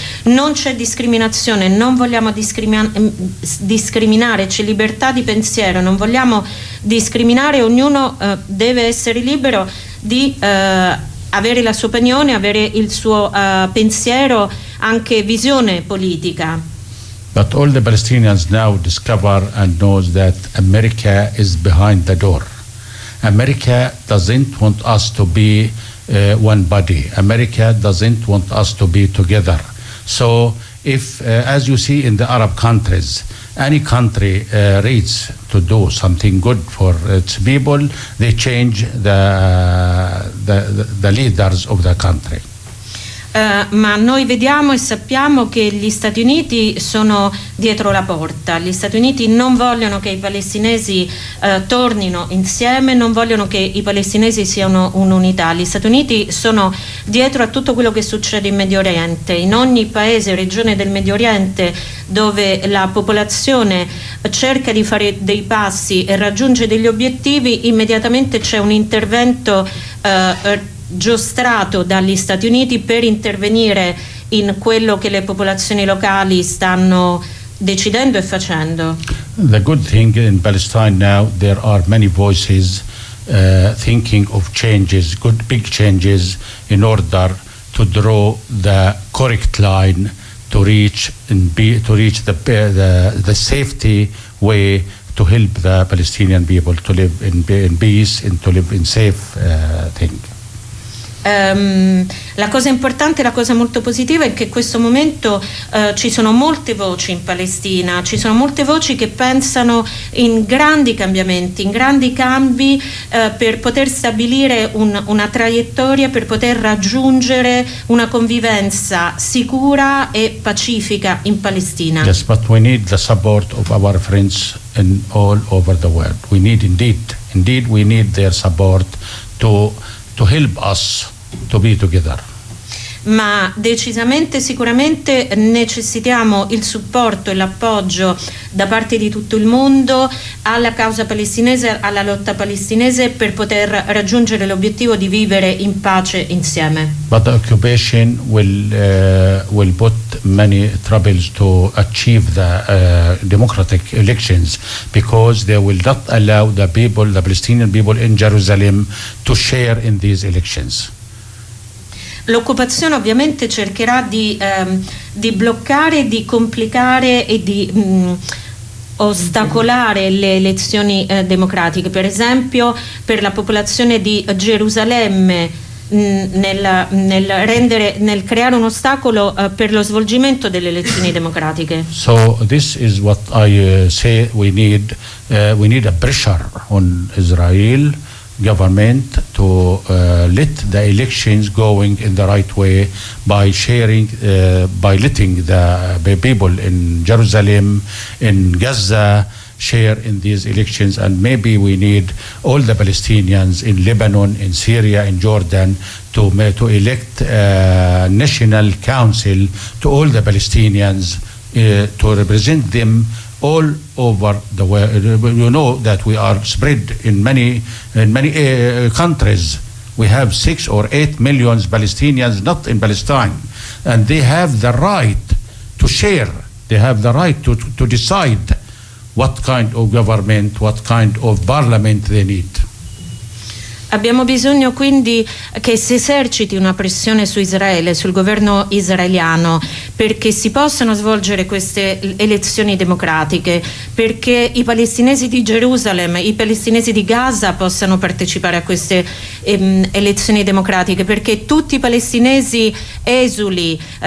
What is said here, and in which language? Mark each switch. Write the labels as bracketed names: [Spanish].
[Italian] non c'è discriminazione, non vogliamo discriminare, c'è libertà di pensiero, non vogliamo discriminare, ognuno deve essere libero di avere la sua opinione, avere il suo pensiero, anche visione politica. [English] But all the Palestinians now discover and knows that America is behind the door. America doesn't want us to be one body. America doesn't want us to be together. So if, as you see in the Arab countries, any country reads to do something good for its people, they change the leaders of the country. [Italian] ma noi vediamo e sappiamo che gli Stati Uniti sono dietro la porta. Gli Stati Uniti non vogliono che i palestinesi tornino insieme, non vogliono che i palestinesi siano un'unità. Gli Stati Uniti sono dietro a tutto quello che succede in Medio Oriente. In ogni paese e regione del Medio Oriente dove la popolazione cerca di fare dei passi e raggiunge degli obiettivi, immediatamente c'è un intervento giostrato dagli Stati Uniti per intervenire in quello che le popolazioni locali stanno decidendo e facendo. [English] The good thing in Palestine now there are many voices thinking of changes, good big changes in order to draw the correct line to reach and be to reach the safety way to help the Palestinian people to live in peace and to live in safe thing. [Italian] La cosa importante, la cosa molto positiva è che in questo momento ci sono molte voci in Palestina, ci sono molte voci che pensano in grandi cambiamenti, in grandi cambi per poter stabilire una traiettoria, per poter raggiungere una convivenza sicura e pacifica in Palestina. [English] Yes, but we need the support of our friends in all over the world. We need indeed we need their support to help us to be together. [Italian] Ma decisamente, sicuramente necessitiamo il supporto e l'appoggio da parte di tutto il mondo alla causa palestinese, alla lotta palestinese per poter raggiungere l'obiettivo di vivere in pace insieme. [English] But the occupation will put many troubles to achieve the democratic elections because they will not allow the people, the Palestinian people in Jerusalem to share in these elections. [Italian] L'occupazione ovviamente cercherà di bloccare, di complicare e di ostacolare le elezioni democratiche. Per esempio, per la popolazione di Gerusalemme, nel creare un ostacolo per lo svolgimento delle elezioni democratiche. [English] So this is what I say we need a pressure on Israel government to let the elections going in the right way by sharing by letting the people in Jerusalem in Gaza share in these elections, and maybe we need all the Palestinians in Lebanon, in Syria, in Jordan to elect a national council to all the Palestinians to represent them all over the world. You know that we are spread in many countries. We have 6 or 8 million Palestinians not in Palestine, and they have the right to share, they have the right to decide what kind of government, what kind of parliament they need. [Italian] Abbiamo bisogno quindi che si eserciti una pressione su Israele, sul governo israeliano, perché si possano svolgere queste elezioni democratiche, perché i palestinesi di Gerusalemme, i palestinesi di Gaza possano partecipare a queste elezioni democratiche, perché tutti i palestinesi esuli,